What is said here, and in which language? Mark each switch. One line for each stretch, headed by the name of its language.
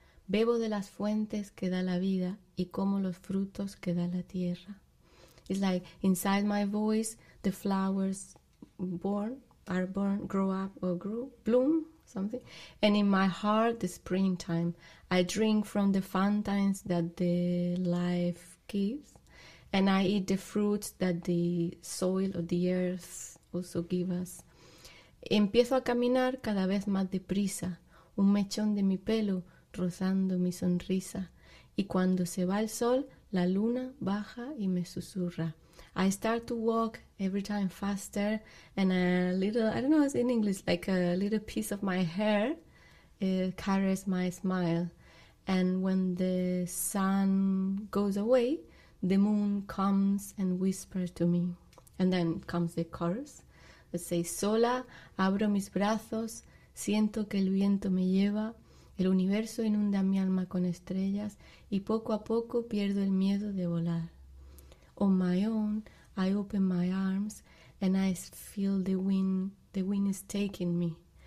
Spanish: Bebo de las fuentes que da la vida y como los frutos que da la tierra.
English: It's like inside my voice, the flowers bloom, and in my heart, the springtime. I drink from the fountains that the life gives, and I eat the fruits that the soil of the earth also give us.
Spanish: Empiezo a caminar cada vez más deprisa, un mechón de mi pelo rozando mi sonrisa, y cuando se va el sol, la luna baja y me susurra.
English: I start to walk every time faster, and a little, I don't know, it's in English, like a little piece of my hair caress my smile. And when the sun goes away, the moon comes and whispers to me. And then comes the chorus. Let's say,
Spanish: sola, abro mis brazos, siento que el viento me lleva, el universo inunda mi alma con estrellas, y poco a poco pierdo el miedo de volar.
English: On my own, I open my arms, and I feel the wind is taking me.